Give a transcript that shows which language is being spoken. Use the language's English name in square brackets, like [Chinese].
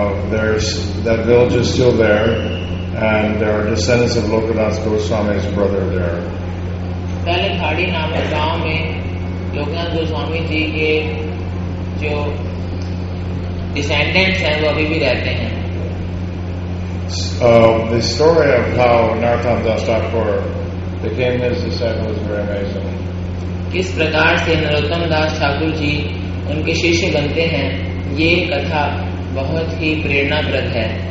[English] There's that village is still there, and there are descendants of Lokanath Goswami's brother there. [Hindi] पहले खाड़ी नामक गांव में लोकनाथ गोस्वामी जी के जो descendants हैं वो अभी भी रहते हैं. [English] The story of how Narottam Das Thakur became his disciple is very amazing. [Hindi] किस प्रकार से नरोत्तम दास ठाकुर जी उनके शिष्य बनते हैं ये कथा बहुत ही प्रेरणाप्रद है.